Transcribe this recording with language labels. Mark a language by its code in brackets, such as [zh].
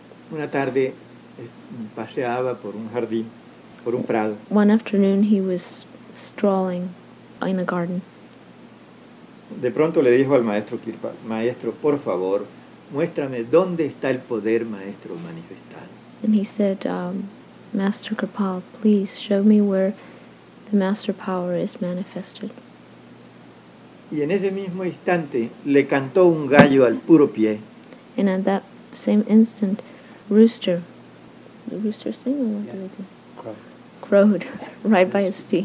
[es] Una tarde paseaba por un jardín, por un prado. [en] One afternoon he was strolling in a garden. [es] De pronto le dijo al maestro Kirpal, maestro, por favor, muéstrame dónde está el poder maestro manifestado. [en] And he said, Master Kripal, please show me where the master power is manifested. [es] Y en ese mismo instante le cantó un gallo al puro pie. [en] And at that same instant, the rooster sing, or what? Yeah. Do they do? Crowed right by his feet.